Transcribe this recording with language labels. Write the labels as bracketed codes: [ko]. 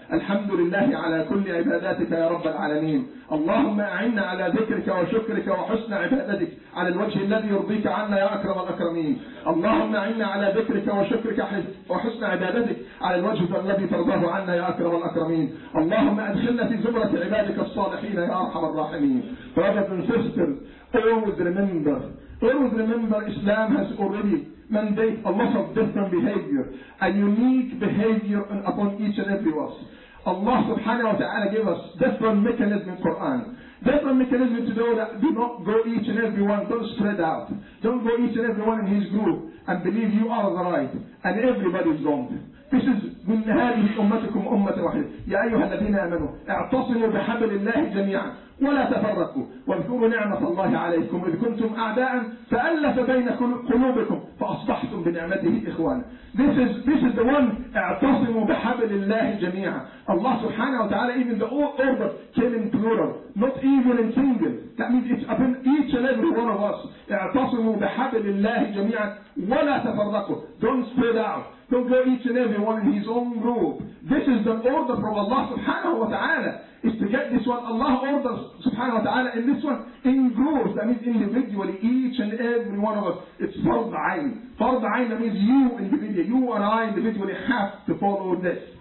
[ar] الحمد لله على كل عباداتك يا رب العالمين. اللهم أعنا على ذكرك وشكرك وحسن عبادتك على الوجه الذي يرضيك عنا يا أكرم الأكرمين. اللهم أعنا على ذكرك وشكرك وحسن عبادتك على الوجه الذي ترضاه عنا يا أكرم الأكرمين. اللهم أدخلنا في زمرة عبادك الصالحين يا أرحم الراحمين. [en] Brothers and sisters, always remember Islam has already mandate a lot of different behavior, a unique behavior upon each and every one. Allah subhanahu wa ta'ala gave us different mechanism in Quran. Different mechanism to know that do not go each and every one, don't spread out. Don't go each and every one in his group and believe you are the right and everybody is wrong. This is [ar] من هذه أمتكم أمة واحدة. يا أيها الذين آمنوا اعتصموا بحبل الله جميعا ولا تفرقوا واذكروا نعمة الله عليكم إذ كنتم أعداء فألف بين قلوبكم فأصبحتم بنعمته إخوانا. [en] This is the one [ar] اعتصموا بحبل الله جميعا. [en] Allah سبحانه وتعالى even the order came in plural, not even in single. That means it's upon each and every one of us. [ar] اعتصموا بحبل الله جميعا ولا تفرقوا. [en] Don't spread out. Don't go each and every one in his own group. This is the order from Allah subhanahu wa ta'ala. Is to get this one. Allah orders subhanahu wa ta'ala in this one in groups. That means individually, each and every one of us. It's fard ayn. Fard ayn, that means you individually, you and I individually have to follow this.